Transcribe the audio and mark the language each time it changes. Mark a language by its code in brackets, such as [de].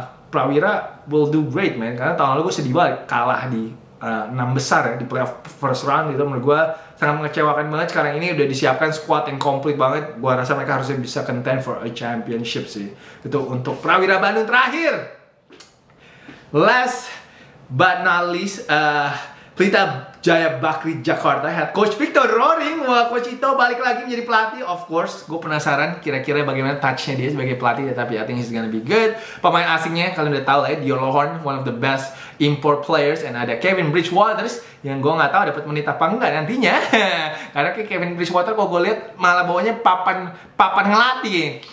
[id] Prawira [en] will do great, man. [id] Karena tahun lalu gue sedih banget kalah di 6 besar ya, di first round gitu. Menurut gue sangat mengecewakan banget. Sekarang ini udah disiapkan squad yang komplit banget. Gue rasa mereka harusnya bisa [en] contend for a championship [id] sih. Itu untuk Prawira Bandung terakhir. [en] Last but not least, Pelita Jaya Bakri Jakarta head coach Victor Roring. [id] Wah, Coach Ito balik lagi menjadi pelatih. [en] Of course, [id] gue penasaran kira-kira bagaimana touch-nya dia sebagai pelatih. [en] Tapi I think he's gonna be good. [id] Pemain asingnya, kalian udah tahu lah ya, [en] Dion Lohorn, one of the best import players. [id] And ada Kevin Bridgewater yang gue gak tahu dapat menit apa enggak nantinya. Karena Kevin Bridgewater kalau gue lihat malah bawahnya papan ngelatih.